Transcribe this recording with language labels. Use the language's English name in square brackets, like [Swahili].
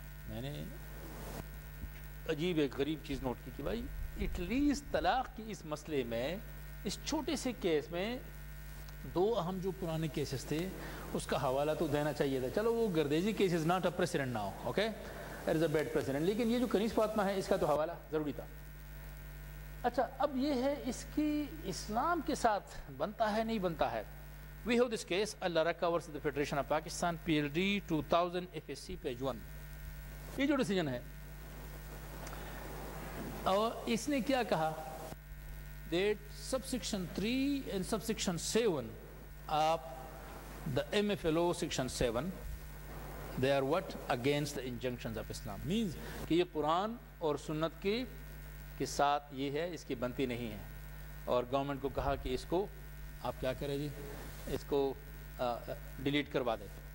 [Hindi] मैंने अजीब एक गरीब चीज़ नोट की कि भाई एटलीस्ट तलाक के इस मसले में, इस छोटे से केस में 2 अहम जो पुराने केसेस थे उसका हवाला तो देना चाहिए था। चलो वो [English] Gardezi case is not a president now, okay, it is a bad president, [Hindi] लेकिन ये जो कनीस फातिमा है इसका तो हवाला ज़रूरी था। अच्छा अब ये है इसकी इस्लाम के साथ बनता है नहीं बनता है. [English] We have this case, Al-Laraka versus the Federation of Pakistan, PLD 2000 FSC page 1. [Hindi] ये जो डिसीजन है और इसने क्या कहा [English] that subsection 3 and subsection 7 of the MFLO section 7 they are what against the injunctions of Islam [Hindi] means कि ये पुरान और सुन्नत के साथ ये है इसकी बनती नहीं है और गवर्नमेंट को कहा कि इसको आप क्या करें जी इसको डिलीट करवा दें.